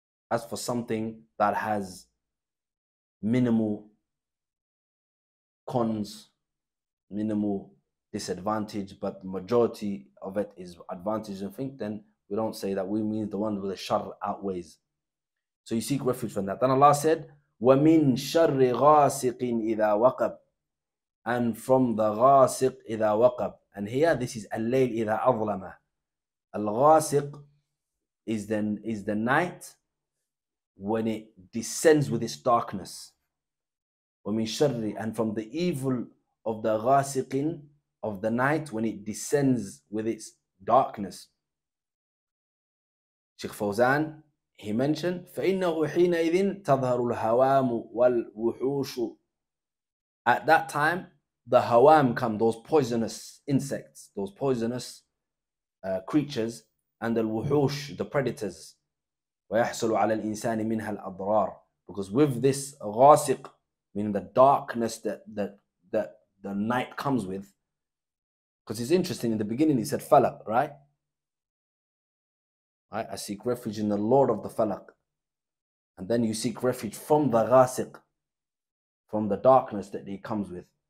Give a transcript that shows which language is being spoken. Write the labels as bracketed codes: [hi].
[en] As for something that has minimal cons, minimal disadvantage, but majority of it is advantage and think, then we don't say that. We mean the one with the shar outweighs. So you seek refuge from that. Then Allah said, [ar] وَمِن شَرِّ غَاسِقٍ إِذَا وَقَبْ, [en] and from the [ar] غَاسِق إِذَا وَقَبْ. [en] And here, this is [ar] اللَّيْل إِذَا أَظْلَمَ. [en] الغاسق is the night when it descends with its darkness. [ar] وَمِن شَرِّ, [en] and from the evil of the غَاسِقٍ, of the night when it descends with its darkness. Sheikh Fawzan, he mentioned, [ar] فَإِنَّهُ حِينَئِذٍ تَظْهَرُ الْهَوَامُ وَالْوُحُوشُ [en] At that time, the hawam come, those poisonous insects, those poisonous creatures, and al-wuhush, the predators. [ar] ويحصل على الإنسان منها الأضرار. [en] Because with this غاسق, meaning the darkness that the night comes with, because it's interesting, in the beginning he said Falaq, right? Right? I seek refuge in the Lord of the Falaq. And then you seek refuge from the ghasiq, from the darkness that he comes with.